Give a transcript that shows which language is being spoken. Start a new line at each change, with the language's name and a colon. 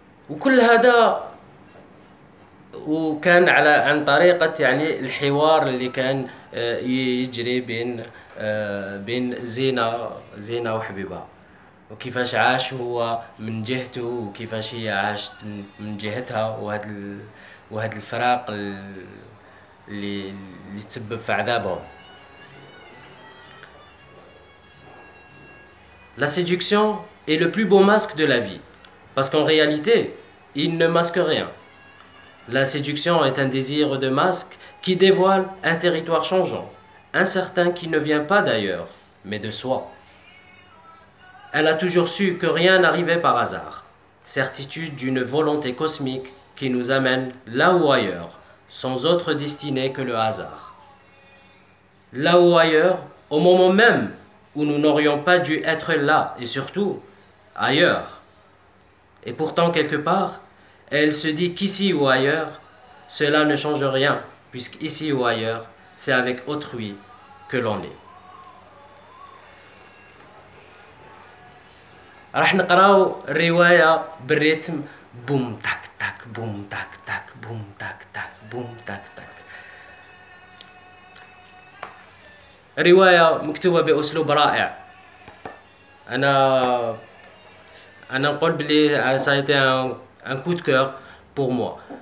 Arabic: وكل هذا وكان على عن طريقة يعني الحوار اللي كان يجري بين زينة وحبيبها، وكيفاش عاش هو من جهته وكيفاش هي عاشت من جهتها، وهذا الفراق اللي تسبب في عذابهم.
French: La séduction est le plus beau masque de la vie, parce qu'en réalité, il ne masque rien. La séduction est un désir de masque qui dévoile un territoire changeant, incertain qui ne vient pas d'ailleurs, mais de soi. Elle a toujours su que rien n'arrivait par hasard, certitude d'une volonté cosmique qui nous amène là ou ailleurs, sans autre destinée que le hasard. Là ou ailleurs, au moment même où nous n'aurions pas dû être là, et surtout ailleurs. Et pourtant, quelque part, elle se dit qu'ici ou ailleurs, cela ne change rien, puisqu'ici ou ailleurs, c'est avec autrui que l'on est.
Arabic: راح نقراو الرواية بالريتم بوم تاك تاك بوم تاك تاك بوم تاك تاك بوم تاك تاك. الرواية مكتوبة بأسلوب رائع. أنا نقول بلي سايتي ان كود كور بور موا.